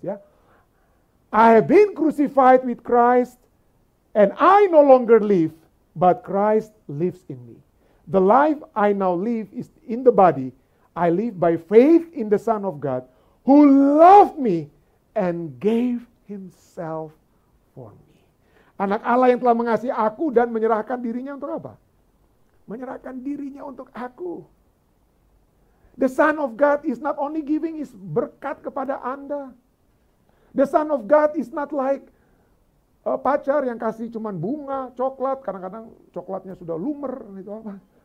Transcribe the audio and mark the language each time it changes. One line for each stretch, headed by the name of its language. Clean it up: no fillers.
English: Yeah, I have been crucified with Christ, and I no longer live, but Christ lives in me. The life I now live is in the body. I live by faith in the Son of God, who loved me and gave himself for me.
Indonesian: Anak Allah yang telah mengasihi aku dan menyerahkan dirinya untuk apa? Menyerahkan dirinya untuk aku.
English: The Son of God is not only giving his
Indonesian: berkat kepada Anda.
English: The Son of God is not like a
Indonesian: pacar yang kasih cuman bunga, coklat, kadang-kadang coklatnya sudah lumer gitu apa.